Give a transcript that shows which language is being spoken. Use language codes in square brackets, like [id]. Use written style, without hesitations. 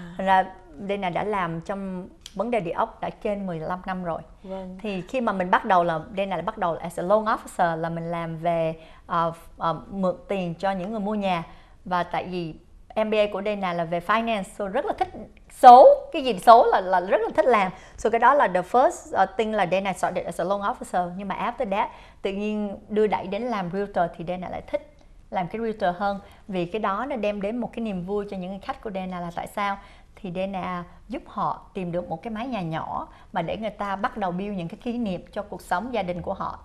[vi] Là Dana đã làm trong vấn đề địa ốc đã trên 15 năm rồi. Vâng. Thì khi mà mình bắt đầu là Dana bắt đầu [en] as a loan officer, [vi] là mình làm về mượn tiền cho những người mua nhà. Và tại vì MBA của Dana là về finance, so rất là thích số, cái gì số là rất là thích làm. [en] So [vi] cái đó là [en] the first thing là Dana started as a loan officer. [vi] Nhưng mà [en] after that, [vi] tự nhiên đưa đẩy đến làm realtor thì Dana lại thích làm cái realtor hơn. Vì cái đó nó đem đến một cái niềm vui cho những khách của Dana. Là tại sao? Thì Dana giúp họ tìm được một cái mái nhà nhỏ mà để người ta bắt đầu build những cái kỷ niệm cho cuộc sống gia đình của họ.